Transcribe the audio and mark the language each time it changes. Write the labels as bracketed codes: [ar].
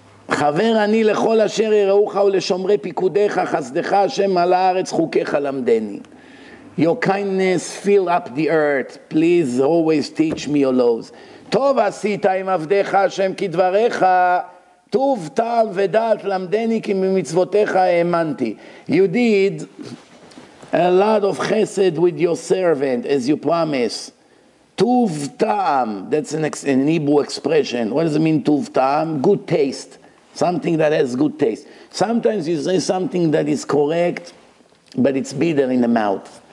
[he] חבר אני לכל אשר יראוך ולשומרי פיקודיך, חסדך השם על הארץ, חוקיך למדני. [en] Your kindness fill up the earth. Please always teach me your laws. [he] טוב עשית עם עבדיך השם כדבריך, טוב טעם ודעת למדני כי ממצוותיך האמנתי. [en] You did a lot of chesed with your servant, as you promised. [he] טוב טעם, [en] that's an Hebrew expression. What does it mean, [he] טוב טעם? [en] Good taste. Something that has good taste. Sometimes you say something that is correct, but it's bitter in the mouth.